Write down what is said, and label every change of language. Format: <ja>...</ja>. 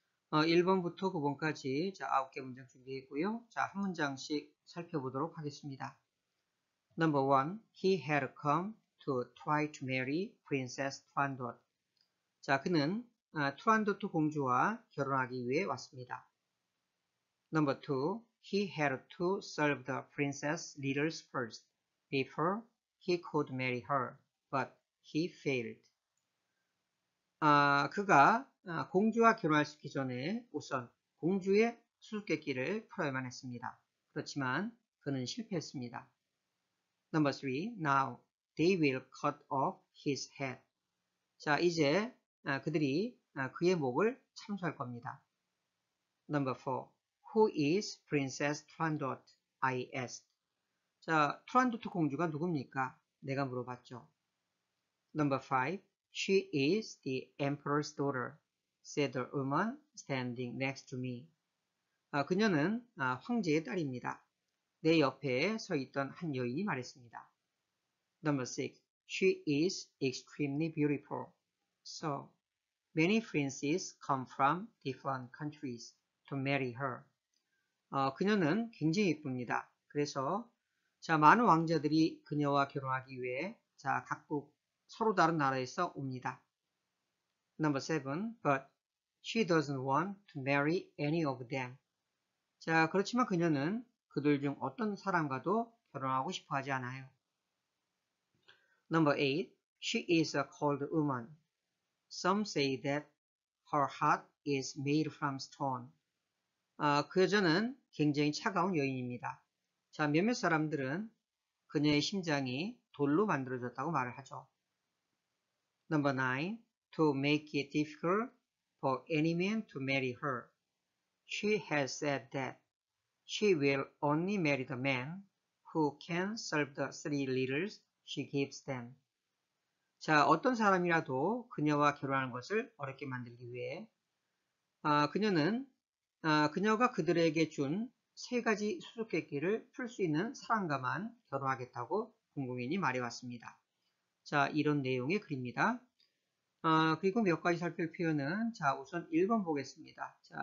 <ko>1번부터 9번까지 자, 9개 문장 준비했고요. 자, 한 문장씩 살펴보도록 하겠습니다.</ko> <en>Number one, he had come to try to marry Princess Trandot.</en> <ko>자, 그는 트란도2 공주와 결혼하기 위해 왔습니다.</ko> <en>Number two, he had to serve the princess leaders first before he could marry her, but he failed.</en> <ko>그가 공주와 결혼하시기 전에 우선 공주의 수수께끼를 풀어야만 했습니다. 그렇지만 그는 실패했습니다.</ko> <en>Number three. Now they will cut off his head.</en> <ko>자, 이제 그들이 그의 목을 참수할 겁니다.</ko> <en>Number four. Who is Princess Trandot? I asked.</en> <ko>자, 트란도트 공주가 누굽니까? 내가 물어봤죠.</ko> <en>Number five, she is the emperor's daughter, said the woman standing next to me.</en> <ko>그녀는 황제의 딸입니다. 내 옆에 서 있던 한 여인이 말했습니다.</ko> <en>Number six, she is extremely beautiful. So many princes come from different countries to marry her.</en> <ko>그녀는 굉장히 예쁩니다. 그래서 자, 많은 왕자들이 그녀와 결혼하기 위해 자, 각국 서로 다른 나라에서 옵니다.</ko> <en>Number seven, but she doesn't want to marry any of them.</en> <ko>자, 그렇지만 그녀는 그들 중 어떤 사람과도 결혼하고 싶어 하지 않아요.</ko> <en>Number eight, she is a cold woman. Some say that her heart is made from stone.</en> <ko>그 여자는 굉장히 차가운 여인입니다. 자, 몇몇 사람들은 그녀의 심장이 돌로 만들어졌다고 말을 하죠.</ko> <en>Number nine, to make it difficult for any man to marry her, she has said that she will only marry the man who can serve the three riddles she gives them.</en> <ko>자, 어떤 사람이라도 그녀와 결혼하는 것을 어렵게 만들기 위해, 그녀는, 그녀가 그들에게 준세 가지 수수께끼를 풀수 있는 사람과만 결혼하겠다고 공공연히 말해왔습니다. 자, 이런 내용의 글입니다. 그리고 몇 가지 살필 표현은, 자, 우선 1번 보겠습니다.</ko>